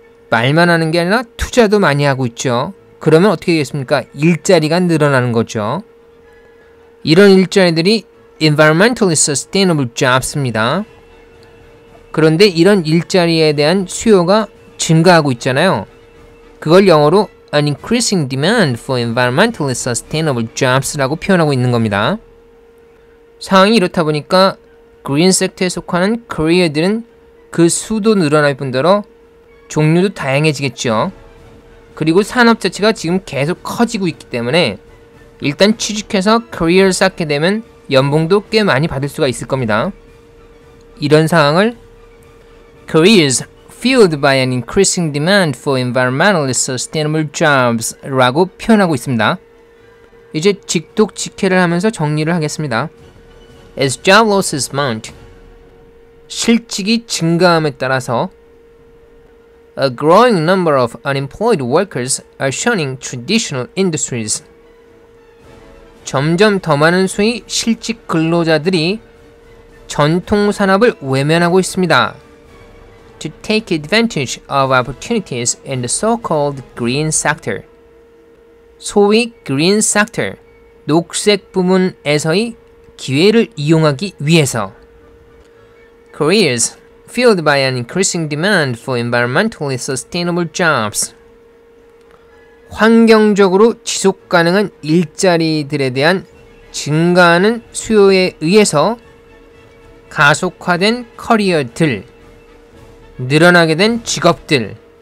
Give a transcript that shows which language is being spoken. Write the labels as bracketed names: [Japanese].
[Korean] 말만 하는 게 아니라 투자도 많이 하고 있죠. 그러면 어떻게 되겠습니까? 일자리가 늘어나는 거죠. 이런 일자리들이 environmentally sustainable jobs입니다. 그런데 이런 일자리에 대한 수요가 증가하고 있잖아요. 그걸 영어로 [English] an increasing demand for environmentally sustainable jobs [Korean] 라고 표현하고 있는 겁니다. 상황이 이렇다 보니까 green sector에 속하는 career들은 그 수도 늘어날 뿐더러 종류도 다양해지겠죠. 그리고 산업 자체가 지금 계속 커지고 있기 때문에 일단 취직해서 career를 쌓게 되면 연봉도 꽤 많이 받을 수가 있을 겁니다. 이런 상황을 [English] careers fueled by an increasing demand for environmentally sustainable jobs [Korean] 라고 표현하고 있습니다. 이제 직독직해를 하면서 정리를 하겠습니다. [English] As job losses mount, [Korean] 실직이 증가함에 따라서 [English] A growing number of unemployed workers are shunning traditional industries. [Korean] 점점 더 많은 수의 실직 근로자들이 전통 산업을 외면하고 있습니다. [English] To take advantage of opportunities in the so-called green sector. [Korean] 소위 green sector, 녹색 부문에서의 기회를 이용하기 위해서. [English] Careers fueled by an increasing demand for environmentally sustainable jobs. [Korean] 환경적으로 지속 가능한 일자리들에 대한 증가하는 수요에 의해서 가속화된 커리어들, 늘어나게 된 직업들.